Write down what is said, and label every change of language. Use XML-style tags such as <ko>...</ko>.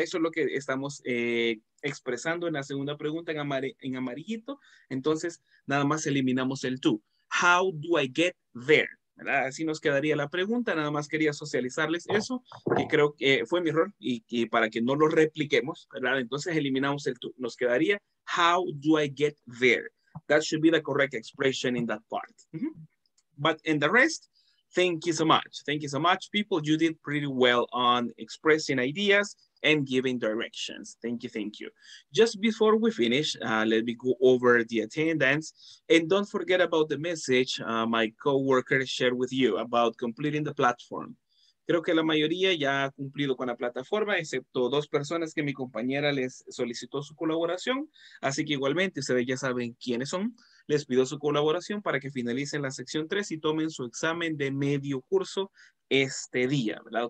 <es>Eso es lo que estamos expresando en la segunda pregunta en amarillito. Entonces, nada más eliminamos el to.</es> <en>How do I get there?</en> <es>¿Verdad? Así nos quedaría la pregunta. Nada más quería socializarles eso, que creo que fue mi error y para que no lo repliquemos, ¿verdad? Entonces, eliminamos el to. Nos quedaría</es> <en>how do I get there? That should be the correct expression in that part. Mm-hmm. But in the rest, thank you so much. Thank you so much, people. You did pretty well on expressing ideas and giving directions. Thank you, thank you. Just before we finish, let me go over the attendance. And don't forget about the message my coworker shared with you about completing the platform.</en> <es>Creo que la mayoría ya ha cumplido con la plataforma, excepto dos personas que mi compañera les solicitó su colaboración. Así que igualmente, ustedes ya saben quiénes son. Les pido su colaboración para que finalicen la sección 3 y tomen su examen de medio curso este día, ¿verdad?</es>